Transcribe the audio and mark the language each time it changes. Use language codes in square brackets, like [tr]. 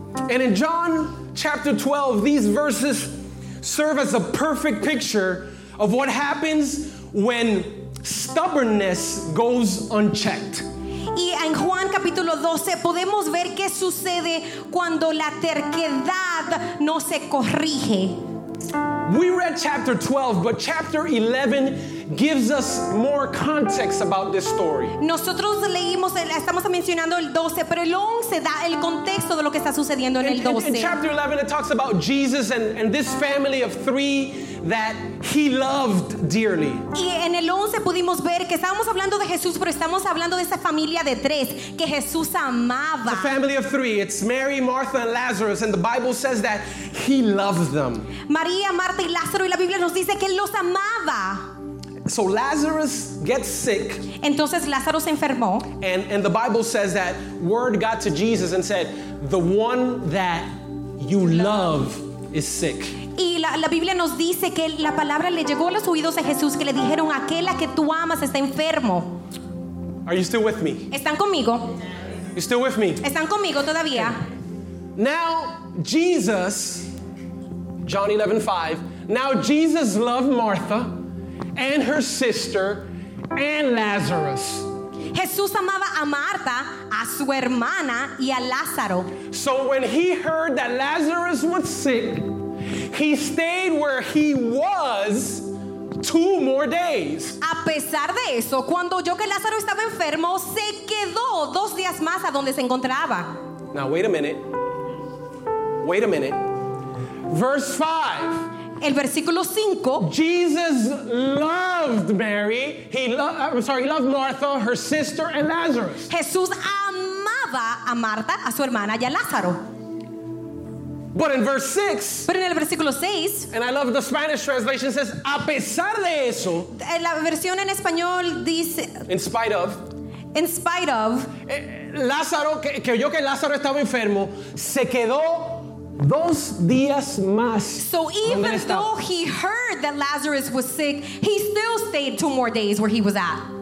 [en] And in John chapter 12, these verses serve as a perfect picture of what happens when stubbornness goes unchecked. [es] Y en Juan capítulo 12 podemos ver qué sucede cuando la terquedad no se corrige. [en] We read chapter 12, but chapter 11 gives us more context about this story. [es] Nosotros leímos, estamos mencionando el 12, pero el 11 da el contexto de lo que está sucediendo en el 12. [en] In chapter 11, it talks about Jesus and this family of three that he loved dearly. [es] Y en el 11 pudimos ver que estábamos hablando de Jesús, pero estamos hablando de esa familia de tres que Jesús amaba. [en] The family of three, it's Mary, Martha, and Lazarus, and the Bible says that he loved them. [es] María, Marta y Lázaro, y la Biblia nos dice que él los amaba. [en] So Lazarus gets sick. [es] Entonces Lázaro se enfermó. [en] And the Bible says that word got to Jesus and said, "The one that you love is sick." [es] Y la Biblia nos dice que la palabra le llegó a los oídos de Jesús que le dijeron, "Aquel a que tú amas está enfermo." [en] Are you still with me? [es] ¿Están conmigo? [en] You still with me? [es] ¿Están conmigo todavía? [en] Okay. Now Jesus, John 11:5, now Jesus loved Martha and her sister and Lazarus. [es] Jesús amaba a Marta, a su hermana y a Lázaro. [en] So when he heard that Lazarus was sick, he stayed where he was 2 more days. [es] A pesar de eso, cuando oyó que Lázaro estaba enfermo, se quedó 2 días más a donde se encontraba. [en] Now wait a minute. Wait a minute. Verse 5. [es] El versículo 5. [en] Jesus loved Mary. He loved Martha, her sister, and Lazarus. [es] Jesús amaba a Marta, a su hermana, y a Lázaro. [en] But in verse 6. [es] Pero en el versículo 6. [en] And I love the Spanish translation says, [es] a pesar de eso. La versión en español dice. [en] In spite of. In spite of. [es] Lázaro, que oyó que Lázaro estaba enfermo, se quedó 2 días más. [en] So even though he heard that Lazarus was sick, he still stayed 2 more days where he was at.